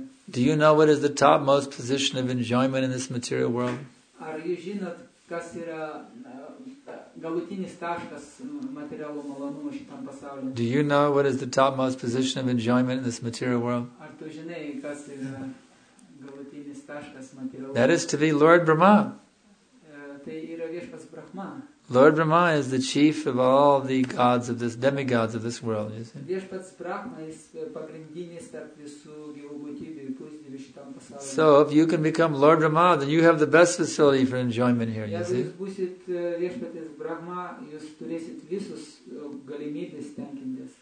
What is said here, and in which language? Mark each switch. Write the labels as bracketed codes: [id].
[en] Do you know what is the topmost position of enjoyment in this material world? [lt] Ar jūs žinot, kas yra galutinis taškas materialų malonumo šitam pasaulyje? [en] Do you know what is the topmost position of enjoyment in this material world? [lt] Ar tu žinai, kas yra galutinis taškas materialų? [en] That is to be Lord Brahma. [lt] Tai yra viešpats Brahma. [en] Lord Brahma is the chief of all the gods of this, demigods of this world, you see. [lt] Viešpats Brahma is pagrindinis tarp visų gyvų būtybių ir pusdievių šitam pasaulyje. [en] So if you can become Lord Brahma, then you have the best facility for enjoyment here, you see. [lt] Jeigu jūs būsit viešpats Brahma, jūs turėsit visus galimybės tenkintis.